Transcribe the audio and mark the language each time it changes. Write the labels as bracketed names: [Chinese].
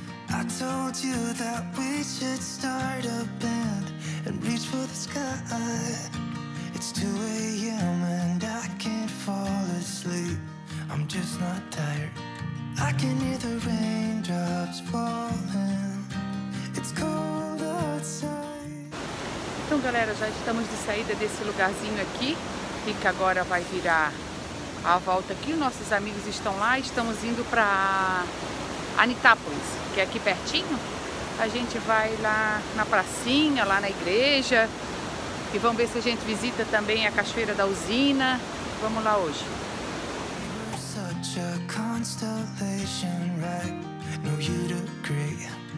[English] I told you that we should start a band and reach for the sky. It's 2 a.m. and I can't fall asleep. I'm just not tired. I can hear the raindrops falling. It's cold outside. [Portuguese] Então, galera, já estamos de saída desse lugarzinho aqui. Que agora vai virar a volta aqui. Nossos amigos estão lá. Estamos indo para Anitápolis, que é aqui pertinho. A gente vai lá na pracinha, lá na igreja. E vamos ver se a gente visita também a Cachoeira da Usina. Vamos lá hoje. [English] You're such a constellation, right? No, you'd agree.